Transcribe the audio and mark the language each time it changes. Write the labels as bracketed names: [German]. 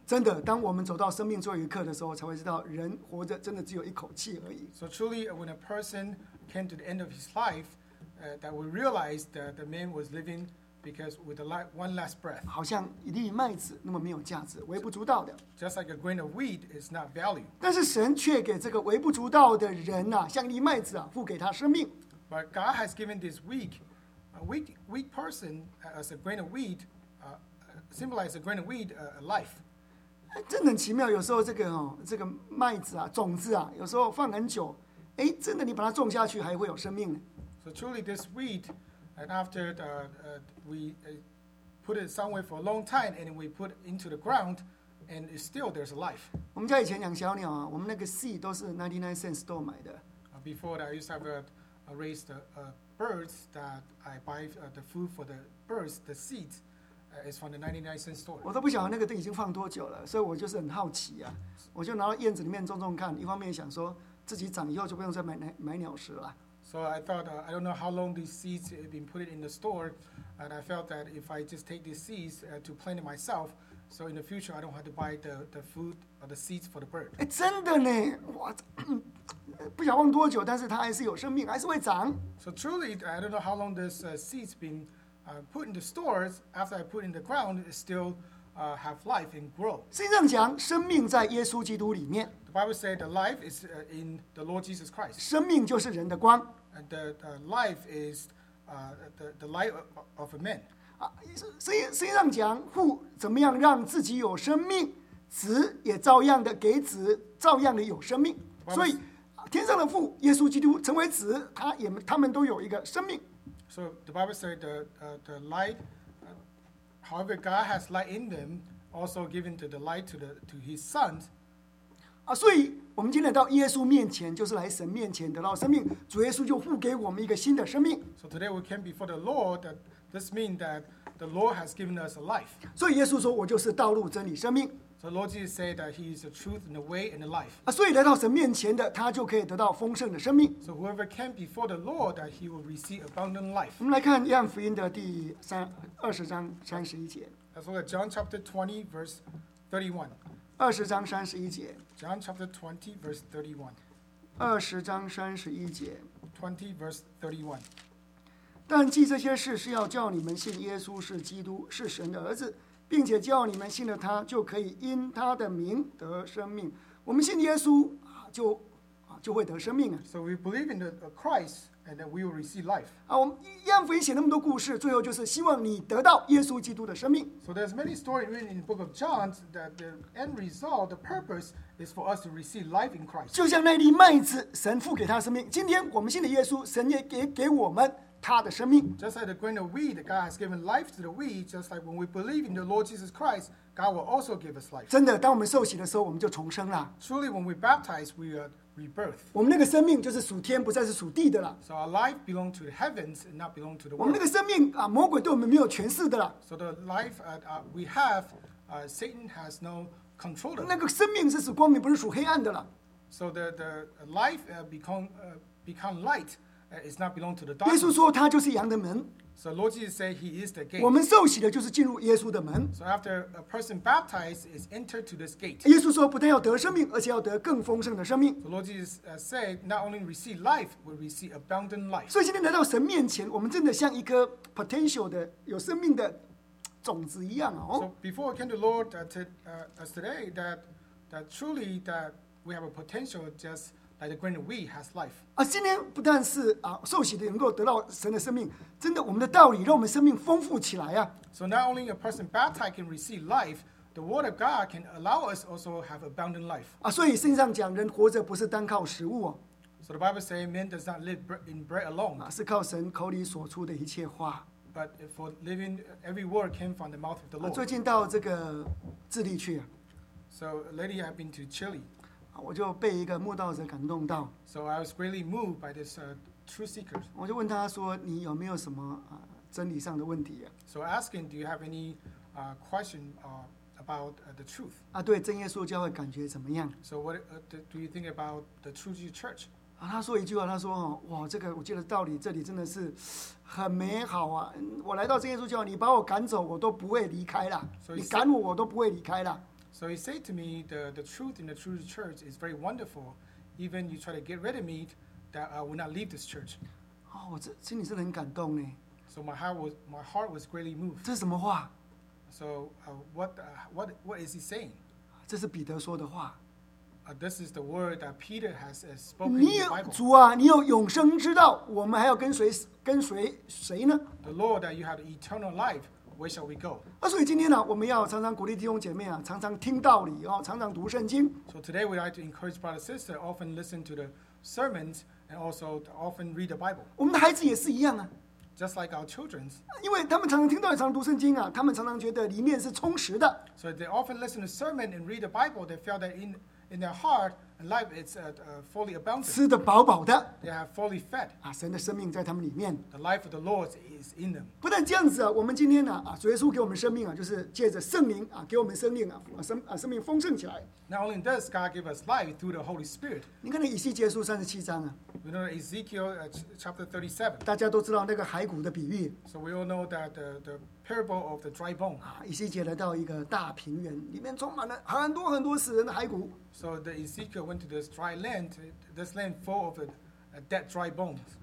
[Chinese] 真的，当我们走到生命最后一刻的时候，才会知道人活着真的只有一口气而已。 [English] So truly, when a person came to the end of his life, that we realized that the man was living. Because with one last breath, [Chinese] 好像一粒麦子那么没有价值，微不足道的。 [English] Just like a grain of wheat is not value. [Chinese] 但是神却给这个微不足道的人呐、啊，像一粒麦子啊，赋给他生命。 [English] But God has given this weak person as a grain of wheat, symbolize a grain of wheat, a life. [Chinese] 真的很奇妙，有时候这个哦，这个麦子啊，种子啊，有时候放很久，哎，真的你把它种下去，还会有生命呢。 [English] So truly, this wheat. And after the, we put it somewhere for a long time, and we put it into the ground, and still there's life. [Chinese] 我们家以前养小鸟啊，我们那个 seed 都是99 cent store 买的。 [English] Before that, I used to have raised birds that I buy the food for the birds, the seeds, It's from the 99 cent store. [Chinese] 我都不晓得那个灯已经放多久了，所以我就是很好奇啊，我就拿到院子里面种种看，一方面想说自己长以后就不用再买鸟食了。 [English] So I thought, I don't know how long these seeds have been put in the store, and I felt that if I just take these seeds to plant it myself, so in the future I don't have to buy the food or the seeds for the bird. [Chinese] 哎，真的呢，哇！不想忘多久，但是它还是有生命，还是会长。 [English] So truly, I don't know how long this seeds been put in the stores. After I put in the ground, it still have life and grow. [Chinese] 圣经讲生命在耶稣基督里面。 [English] The Bible says the life is in the Lord Jesus Christ. [Chinese] 生命就是人的光。 [English] And the life is the light of a man. [Chinese] 圣经讲父怎么样让自己有生命，子也照样的给子照样的有生命，所以。天上的父耶稣基督成为子，他们都有一个生命。 [English] So the Bible says the light, however God has light in them, also given to the light to His sons. [Chinese] 啊，所以我们今天到耶稣面前，就是来神面前得到生命。主耶稣就赋给我们一个新的生命。 [English] So today we came before the Lord. That this means that the Lord has given us a life. [Chinese] 所以耶稣说，我就是道路、真理、生命。 [English] So Lord Jesus said that He is the truth and the way and the life. [Chinese] 所以来到神面前的他就可以得到丰盛的生命。 [English] So whoever came before the Lord, that he will receive abundant life. [Chinese] 我们来看约翰福音的第二十章三十一节。 [English] Let's look at John chapter 20, verse 31. [Chinese] 二十章三十一节。 [English] John chapter 20, verse 31. [Chinese] 二十章三十一节。 [English] 20 verse 31. [Chinese] 但记这些事是要叫你们信耶稣是基督，是神的儿子。并且叫你们信了他，就可以因他的名得生命。我们信耶稣，就会得生命啊。 [English] So we believe in the Christ, and we will receive life. [Chinese] 啊，我们约翰福音写那么多故事，最后就是希望你得到耶稣基督的生命。 [English] So there's many stories written in the book of John that the end result, the purpose is for us to receive life in Christ. [Chinese] 就像那粒麦子，神赋给他生命。今天我们信了耶稣，神也给我们。他的生命 [English] just like the grain of wheat, God has given life to the wheat. Just like when we believe in the Lord Jesus Christ, God will also give us life. [Chinese] 真的，当我们受洗的时候，我们就重生了。 [English] Truly, when we baptize, we are rebirth. [Chinese] 我们那个生命就是属天，不再是属地的了。 [English] So our life belongs to the heavens and not belong to the world. [Chinese] 我们那个生命啊，魔鬼对我们没有权势的了。 [English] So the life we have, Satan has no control. [Chinese] 那个生命是属光明，不是属黑暗的了。 [English] So the life become light. It's not belong to the dark. [Chinese] 耶稣说他就是羊的门。 [English] So Lord Jesus said He is the gate. [Chinese] 我们受洗的就是进入耶稣的门。 [English] So after a person baptized is entered to this gate. [Chinese] 耶稣说不但要得生命，而且要得更丰盛的生命。 [English] So Lord Jesus said not only receive life, but receive abundant life. [Chinese] 所以今天来到神面前，我们真的像一颗 potential 的有生命的种子一样哦。 [English] So before we came to Lord today, that truly that we have a potential just. Like the grain of wheat has life. [Chinese] 啊，今天不但是啊，受洗的能够得到神的生命，真的，我们的道理让我们生命丰富起来啊。 [English] So not only a person baptized can receive life, the word of God can allow us also have abundant life. [Chinese] 啊，所以圣上讲，人活着不是单靠食物哦。 [English] So the Bible says, man does not live in bread alone. [Chinese] 啊，是靠神口里所出的一切话。 [English] But for living, every word came from the mouth of the Lord. [Chinese] 啊，最近到这个智利去。 [English] So lately, I've been to Chile. [Chinese] 我就被一个慕道者感动到。 [English] So I was greatly moved by this truth seeker. [Chinese] 我就问他说：“你有没有什么真理上的问题、啊、 [English] ？”So asking, do you have any question about the truth? [Chinese] 啊，对，真耶稣教会感觉怎么样 [English] ？So what do you think about the True Jesus Church? [Chinese] 啊，他说一句话，他说：“哇，这个我觉得道理这里真的是很美好啊！我来到真耶稣教会，你把我赶走，我都不会离开了。 [English] So、 [Chinese] 你赶我，我都不会离开了。” [English] So he said to me, the truth in the true church is very wonderful. Even you try to get rid of me, that I will not leave this church. [Chinese] Oh, 我心里真的很感动呢。 [English] So my heart was greatly moved. [Chinese] 这是什么话 [English] ？So what is he saying? [Chinese] 这是彼得说的话。 [English] This is the word that Peter has spoken in the Bible. [Chinese] 主啊，你有永生之道，我们还要跟随谁呢 [English] ？The Lord that you have eternal life. Where shall we go? [Chinese] 所以今天呢，我们要常常鼓励弟兄姐妹啊，常常听道理哦，常常读圣经。 [English] So today we like to encourage brother sister often listen to the sermons and also often read the Bible. [Chinese] 我们的孩子也是一样啊。 [English] Just like our children. [Chinese] 因为他们常常听道理，常常读圣经啊，他们常常觉得里面是充实的。 [English] So they often listen to sermon and read the Bible. They feel that in their heart. And life is fully abundant. [Chinese] 吃得饱饱的, [English] they are fully fed. [Chinese] 啊, 神的生命在他们里面, [English] the life of the Lord is in them. [Chinese] 不但这样子啊, 我们今天啊, 啊, 主耶稣给我们生命啊, 就是借着圣灵, 啊, 给我们生命啊, 啊, 生命丰盛起来。 [English] Not only does God give us life through the Holy Spirit. [Chinese] 你看以西结书37章啊, [English] we know Ezekiel chapter 37. [Chinese] 大家都知道那个骸骨的比喻, [English] so we all know that the parable of the dry bone. [Chinese] 啊, 以西结来到一个大平原, 里面充满了很多很多死人的骸骨。 [English] So the Ezekiel went to this dry land, this land full of a dead dry bones.